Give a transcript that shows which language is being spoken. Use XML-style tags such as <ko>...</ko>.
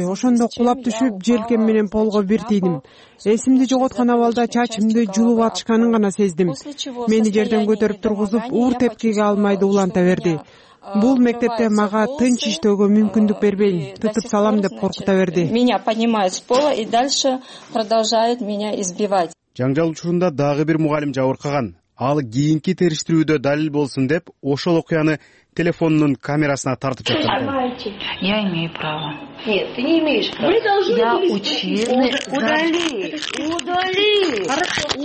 <ky>Ошондо кулап түшүп, желкем менен полго бир тийдим. Эсимди жоготкан абалда чачымды жулуп атышканын гана сездим. Мени жерден көтөрүп тургузуп, уур тепкиге алмайды уланта берди. Бул мектепте мага тынч иштөөгө мүмкүндүк бербей, тытып салам деп коркута берди.</ky> <ru>Меня поднимают с пола и дальше продолжают меня избивать.</ru> <ky>Жаңжал учурунда дагы бир мугалим жабыркаган. Ал кийинки териштирүүдө далил болсун деп ошол окуяны телефонунун камерасына тартып жаткан.</ky> <ru>Я имею право. Нет, ты не имеешь права. Вы должны Удали. Удали.</ru>